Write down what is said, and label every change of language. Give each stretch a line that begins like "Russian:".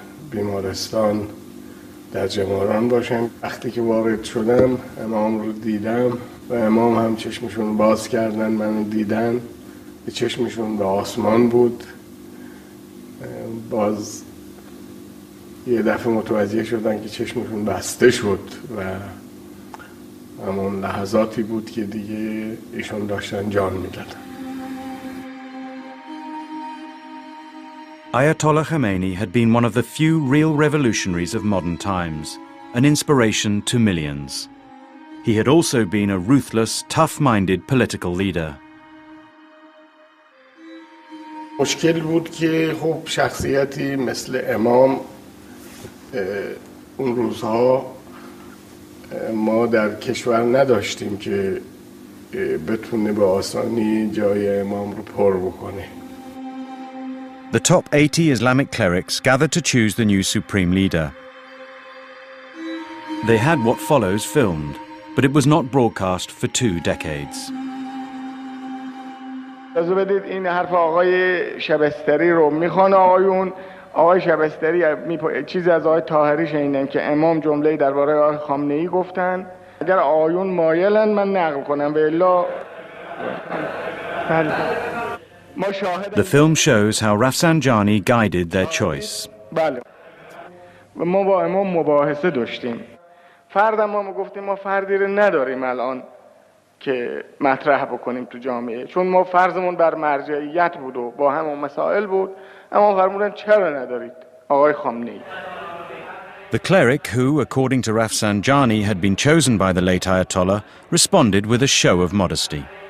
Persian: بیمارستان در جماران باشم وقتی که وارد شدم امام رو دیدم و امام هم چشمشون باز کردن منو دیدن به چشمشون به آسمان بود باز یه دفعه متوجه شدن که چشمشون بسته شد و همون لحظاتی بود که دیگه ایشون داشتن جان میدادن
English: Ayatollah Khomeini had been one of the few real revolutionaries of modern times, an inspiration to millions. He had also been a ruthless, tough-minded political leader.
Persian: مشکل بود که خب شخصیتی مثل امام اون روزها ما در کشور نداشتیم که بتونه به آسانی جای امام رو پر بکنه.
English: The top 80 Islamic clerics gathered to choose the new supreme leader. They had what follows filmed, but it was not broadcast for 2 decades.
Persian: لازم بدید این حرف آقای شبستری رو میخوان آقایون آقای شبستری چیزی از آقای طاهری شنیدن که امام جمله‌ای درباره آقای خامنه‌ای گفتن اگر آقایون مایلن من نقل کنم و الا ما شاهد
English: The film shows how Rafsanjani guided their choice.
Persian: بله و ما با امام مباحثه داشتیم فرد ما گفتیم ما فردی رو نداریم الان که مطرح بکنیم تو جامعه چون ما فرضمون بر مرجعیت بود و با همون مسائل بود اما فرمودن چرا ندارید آقای خامنه‌ای
English: The cleric who according to Rafsanjani had been chosen by the late Ayatollah responded with a show of modesty